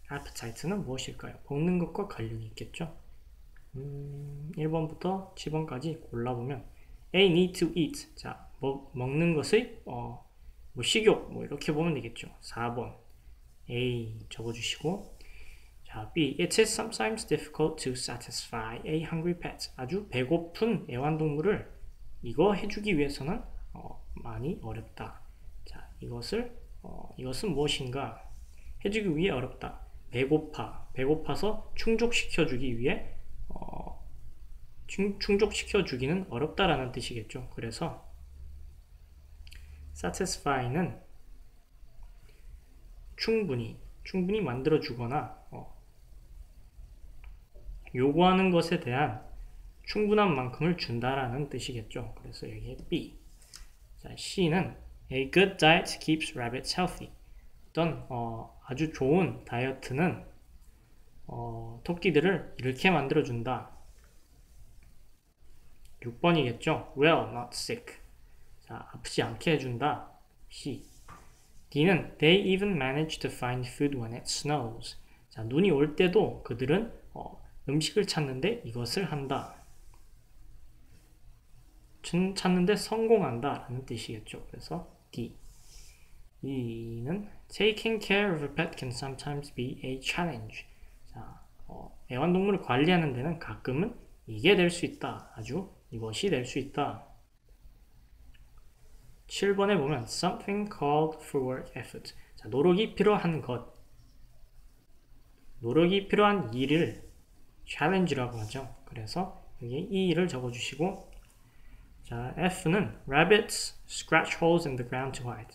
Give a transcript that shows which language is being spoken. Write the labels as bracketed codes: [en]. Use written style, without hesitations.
[ko] Appetite는 무엇일까요? 먹는 것과 관련이 있겠죠? 1번부터 7번까지 골라보면 [en] A need to eat. [ko] 자, 먹는 것의 뭐 식욕 뭐 이렇게 보면 되겠죠. 4번 A 적어주시고 자, [en] B It is sometimes difficult to satisfy a hungry pet. [ko] 아주 배고픈 애완동물을 이거 해주기 위해서는 많이 어렵다. 자, 이것을 이것은 무엇인가? 해주기 위해 어렵다. 배고파서 충족시켜주기 위해 충족시켜주기는 어렵다라는 뜻이겠죠. 그래서 satisfy는 충분히 만들어주거나 요구하는 것에 대한 충분한 만큼을 준다라는 뜻이겠죠. 그래서 여기에 B. 자, C는 [en] A good diet keeps rabbits healthy. [ko] 어떤 아주 좋은 다이어트는 토끼들을 이렇게 만들어준다. 6번이겠죠. [en] Well, not sick. [ko] 자, 아프지 않게 해준다. C. [en] D는 They even manage to find food when it snows. [ko] 자, 눈이 올 때도 그들은 음식을 찾는데 이것을 한다. 찾는데 성공한다 라는 뜻이겠죠. 그래서 D. E는 [en] Taking care of a pet can sometimes be a challenge. [ko] 자, 애완동물을 관리하는 데는 가끔은 이게 될 수 있다. 아주 이것이 될 수 있다. 7번에 보면 [en] Something called for work effort. [ko] 자, 노력이 필요한 것. 노력이 필요한 일을 challenge라고 하죠. 그래서 여기 이 일을 적어주시고 자, F는 [en] Rabbits scratch holes in the ground to hide.